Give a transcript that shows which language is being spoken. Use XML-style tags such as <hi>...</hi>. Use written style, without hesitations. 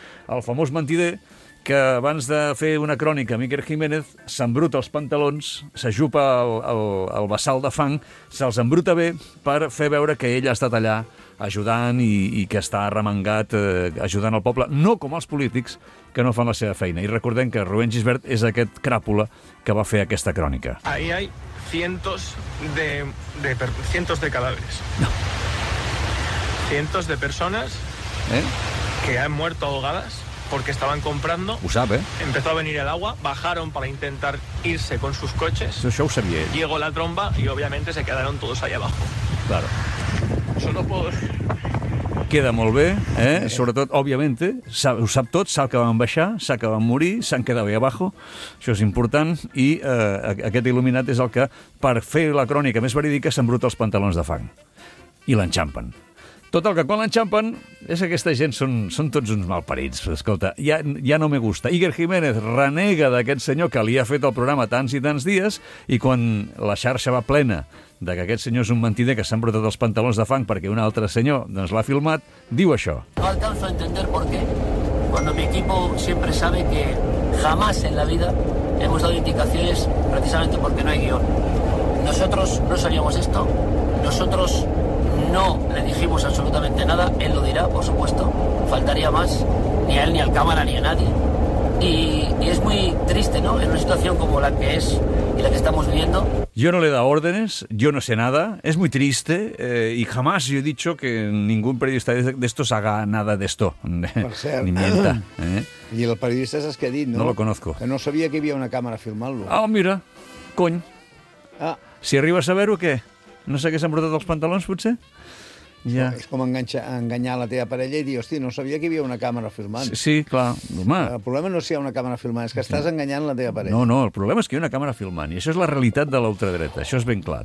<ca>el famós mentider, que abans de fer una crònica amb Iker Jiménez, s'embruta els pantalons, s'ajupa el bassal de fang, se'ls embruta bé per fer veure que ell ha estat allà ajudant i que està arremangat ajudant el poble, no com els polítics que no fan la seva feina. I recordem que Rubén Gisbert és aquest cràpula que va fer aquesta crònica.</ca> <es>Ahí hay cientos de cadáveres. No. Cientos de personas, ¿eh?, que han muerto ahogadas porque estaban comprando.</es> <ca>Ho sap, eh?</ca> <es>Empezó a venir el agua, bajaron para intentar irse con sus coches.</es> <ca>Això ho sabia ell.</ca> <es>Llegó la tromba y obviamente se quedaron todos ahí abajo. Claro. Yo no puedo...</es> <ca>Queda molt bé, eh? Sí. Sobretot, obviamente, ho sap tot, sap que van baixar, sap que van morir, s'han quedat</ca> <es>ahí abajo,</es> <ca>això és important, i aquest il·luminat és el que, per fer la crònica més verídica, s'embruta els pantalons de fang i l'enxampen. Tot el que quan l'enxampen, és que aquesta gent són tots uns malparits. Escolta, ja</ca> <es>no me gusta.</es> <ca>Iker Jiménez renega d'aquest senyor que li ha fet el programa tants i tants dies, i quan la xarxa va plena de que aquest senyor és un mentider que s'han brotat els pantalons de fang perquè un altre senyor doncs l'ha filmat, diu això.</ca> <es>No alcanzo a entender por qué. Cuando mi equipo siempre sabe que jamás en la vida hemos dado indicaciones precisamente porque no hay guión. Nosotros no sabíamos esto. Nosotros... No le dijimos absolutamente nada, él lo dirá, por supuesto, faltaría más, ni a él, ni al cámara, ni a nadie. Y es muy triste, ¿no?, en una situación como la que es y la que estamos viviendo. Yo no le he dado órdenes, yo no sé nada, es muy triste, y jamás yo he dicho que ningún periodista de estos haga nada de esto.</es> <ca>Por cert,</ca> <es>ni mienta, Y el periodista es que ha dicho, ¿no? No lo conozco. Que no sabía que había una cámara filmando. Ah, mira, coño. Ah.</es> <ca>Si arriba a saber</ca> <es>o qué...</es> <ca>No sé què s'han brotat els pantalons, potser? Ja. És com enganyar la teva parella i dir, hòstia, no sabia que hi havia una càmera filmant. Sí, clar. Home. El problema no és si hi ha una càmera filmant, és que estàs enganyant la teva parella. No, el problema és que hi ha una càmera filmant, i això és la realitat de l'ultradreta, això és ben clar.</ca>